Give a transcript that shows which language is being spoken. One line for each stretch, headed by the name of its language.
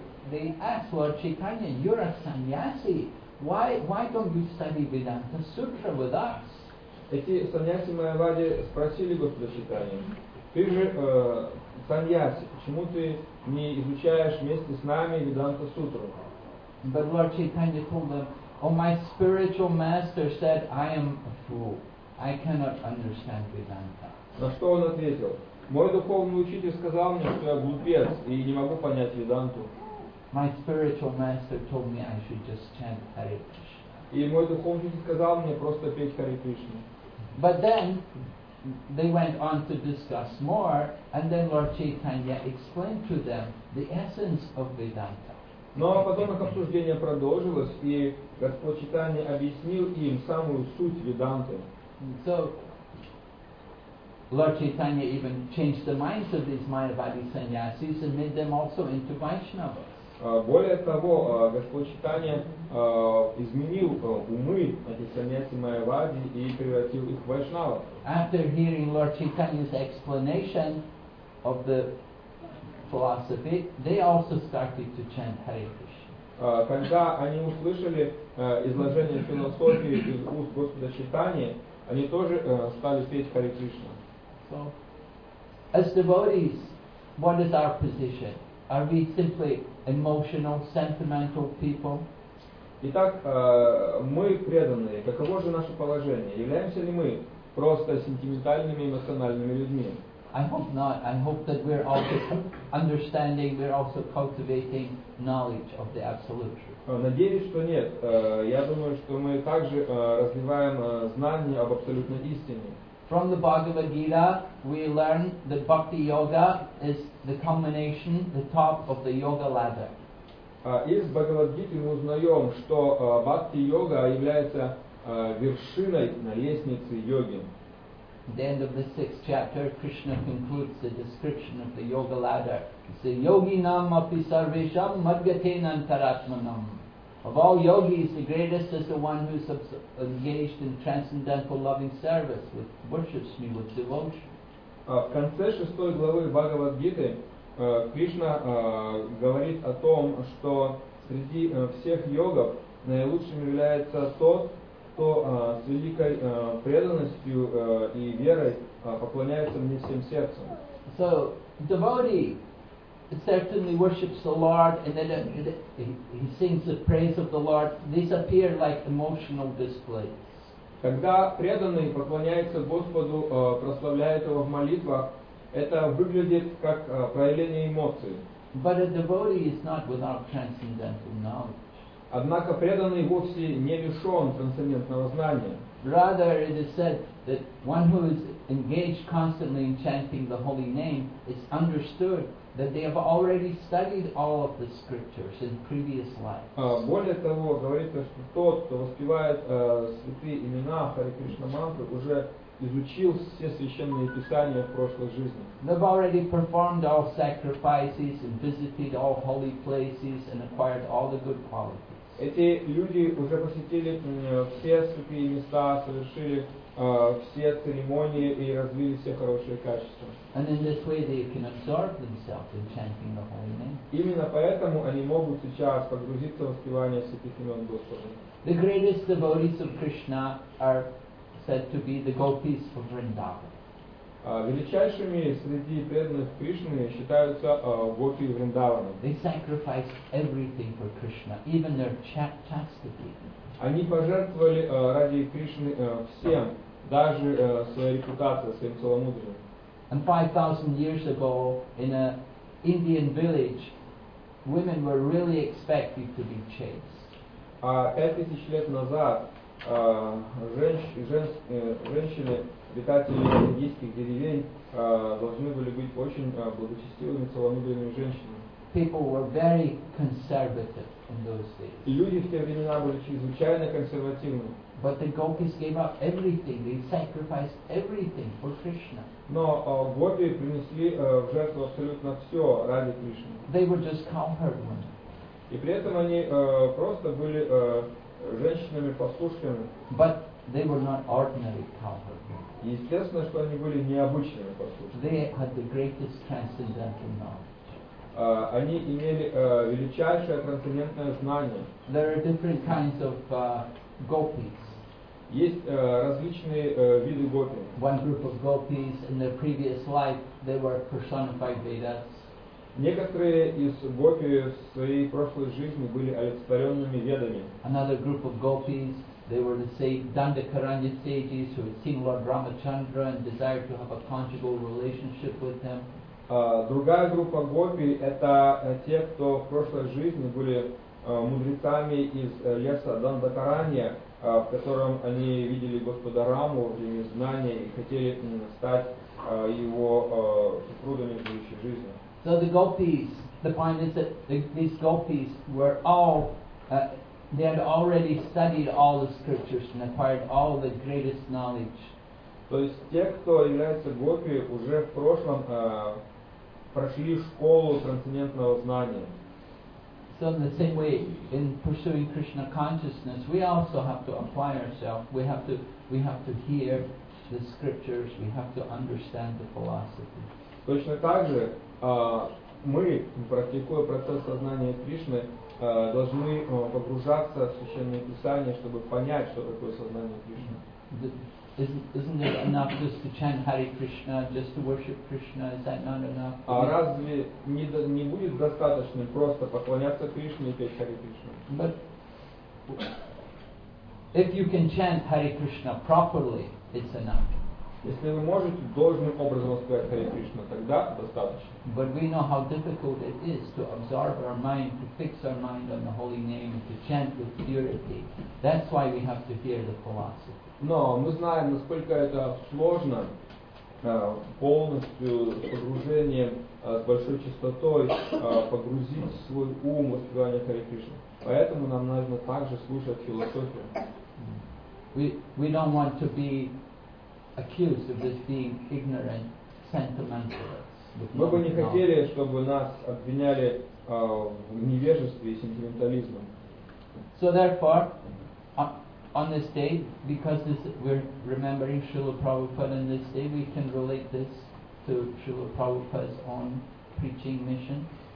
English: They asked Lord Chaitanya, you're a sannyasi, why don't you study Vedanta Sutra with us?
Russian: Эти саньяси Майявади спросили Господа Чайтанья, ты же саньяси, почему ты не изучаешь вместе с нами Vedanta Sutra?
English: But Lord Chaitanya told them, oh, my spiritual master said, I am a fool. I cannot understand Vedanta.
Russian: На что он ответил? Мой духовный учитель сказал мне, что я глупец и не могу понять Веданту.
English: My spiritual master told me I should just chant Hare Krishna.
Russian: И мой духовный учитель сказал мне просто петь Харе Кришну.
English: But then they went on to discuss more, and then Lord Chaitanya explained to them the essence of Vedanta.
Russian: Но потом их обсуждение продолжилось, и Господь Чайтанья объяснил им самую суть Веданты.
English: So, Lord Chaitanya even changed the minds of these Mayavadi sannyasis and made them also into Vaishnavas.
Russian: Более того, Господь Чайтанья изменил умы этих саньяси Майявади и превратил их в Вайшнавов.
English: After hearing Lord Chaitanya's explanation of the philosophy, they also started to chant Hare Krishna.
Russian: Когда они услышали изложение философии из уст Господа Чайтаньи, они тоже стали петь Hare Krishna.
English: So, as devotees, what is our position? Are we simply emotional, sentimental people?
Russian: Итак, мы преданные. Каково же наше положение? Являемся ли мы просто сентиментальными, эмоциональными людьми?
English: I hope not. I hope that we're also understanding, we're also cultivating knowledge of the Absolute Truth.
Russian: Надеюсь, что нет. Я думаю, что мы также развиваем знания об абсолютной истине.
English: From the Bhagavad Gita, we learn that Bhakti Yoga is the culmination, the top of the yoga ladder.
Russian: Из Бхагавад Гиты мы узнаем, что Бхакти Йога является вершиной на лестнице йоги.
English: At the end of the sixth chapter, Krishna concludes the description of the yoga ladder. He says,
Sanskrit: Yoginam api sarvesham madgaten antaratmanam.
English: Of all yogis, the greatest is the one who is engaged in transcendental loving service, with worships me, with devotion.
Russian: В конце шестой главы Бхагавад-гиты Кришна говорит о том, что среди всех йогов наилучшим является тот, кто с великой преданностью и верой поклоняется мне всем сердцем.
English: So, devotee certainly worships the Lord, and then he sings the praise of the Lord. These appear like emotional displays.
Russian: Когда преданный поклоняется Господу, прославляет его в молитвах, это выглядит как проявление эмоций.
English: But a devotee is not without transcendental knowledge.
Russian: Однако преданный вовсе не лишен трансцендентного знания.
English: Rather, it is said that one who is engaged constantly in chanting the holy name is understood that they have already studied all of the scriptures in previous lives.
Russian: Более того, говорится, что тот, кто воспевает святые имена Хари Кришна мантру, уже изучил все священные писания в прошлой жизни.
English: They've already performed all sacrifices and visited all holy places and acquired all the good qualities.
Russian: Эти люди уже посетили все святые места, совершили все церемонии и развили все хорошие качества.
English: And in this way they can absorb themselves in chanting the holy name.
Russian: Именно поэтому они могут сейчас погрузиться в воспевание святых имен Господа.
English: The greatest devotees of Krishna are said to be the gopis of Vrindavan.
Russian: Величайшими среди преданных Кришны считаются гопи Вриндавана.
English: They sacrifice everything for Krishna, even their chastity.
Russian: Они пожертвовали ради Кришны всем, даже своей репутацией, своим целомудрием.
English: And 5,000 years ago, in an Indian village, women were really expected to be chaste.
Russian: 5,000 лет назад женщины, обитатели индийских деревень, должны были быть очень благочестивыми, целомудренными женщинами.
English: People were very conservative in those days.
Russian: И люди в те времена были чрезвычайно консервативны.
English: But the gopis gave up everything, they sacrificed everything for Krishna.
Russian: Но гопи принесли в жертву абсолютно все ради Кришны.
English: They were just cowherd women.
Russian: И при этом они просто были женщинами послушными.
English: But they were not ordinary cowherd women.
Russian: Естественно, что они были необычными послушными.
English: They had the greatest transcendental knowledge.
Russian: Они имели величайшее трансцендентное знание.
English: There are different kinds of gopis.
Russian: Есть различные виды гопи.
English: One group of gopis in their previous life they were personified Vedas.
Russian: Некоторые из гопи в своей прошлой жизни были олицетворенными ведами.
English: Another group of gopis, they were the Dandakaranya sages who had seen Lord Ramachandra and desired to have a conjugal relationship with him.
Russian: Другая группа гопи — это те, кто в прошлой жизни были мудрецами из леса Дандакаранья, в котором они видели Господа Раму, имели знания и хотели стать его супругами в будущей жизни.
English: So the gopis, the point is that these gopis were all, they had already studied all the scriptures and acquired all the greatest knowledge.
Russian: То есть те, кто является гопи, уже в прошлом прошли школу трансцендентного знания.
English: So in the same way, in pursuing Krishna consciousness, we also have to apply ourselves. We have to hear the scriptures. We have to understand the philosophy.
Russian: Точно так же. Мы, практикуя процесс сознания Кришны, должны погружаться в священные писания, чтобы понять, что такое сознание Кришны.
English: Isn't it enough just to chant Hare Krishna, just to worship Krishna? Is that not enough?
Russian: А разве не будет достаточным просто поклоняться Кришне и петь Hare Krishna?
English: But if you can chant Hare Krishna properly, it's enough.
Russian: Если вы можете должным образом воспринять Харе Кришна, тогда достаточно.
English: But we know how difficult it is to absorb our mind, to fix our mind on the holy name, to chant with purity. That's why we have to hear the philosophy.
Russian: Но мы знаем, насколько это сложно, полностью погружение с большой частотой погрузить свой ум в воспевание Харе Кришны. Поэтому нам нужно также слушать философию.
English: We don't want to be accused of just being ignorant sentimentalists.
Russian: Мы бы не хотели, чтобы нас обвиняли в невежестве и сентиментализме.
English: So therefore, on this day, because this, we're remembering Srila Prabhupada on this day, we can relate this to Srila Prabhupada's own preaching mission.